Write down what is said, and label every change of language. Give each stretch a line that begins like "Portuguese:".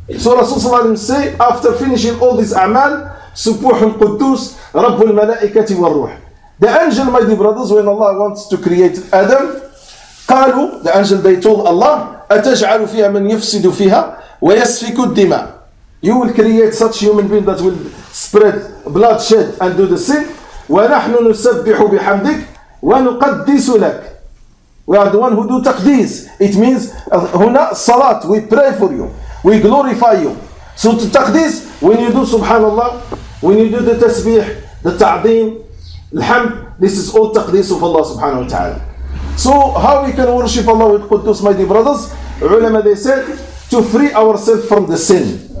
English: So Rasulullah say, after finishing all these a'mal, Subhuh al-Quddus, Rabbu al-Malaikati wal-Ruh. The angel, my dear brothers, when Allah wants to create Adam, قالوا, the angel, they told Allah, أتجعل فيها من يفسد فيها ويسفك الدماء. You will create such human being that will spread bloodshed and do the sin.
Arabic: ونحن نسبح بحمدك ونقدس لك.
English: We are the one who do taqdis. It means, هنا salat, we pray for you. We glorify you. So to taqdis, when you do subhanallah, when you do the tasbih, the ta'zim, alhamd, this is all taqdis of Allah subhanahu wa ta'ala. So how we can worship Allah with Quddus, my dear brothers? Ulama, they said, to free ourselves from the sin.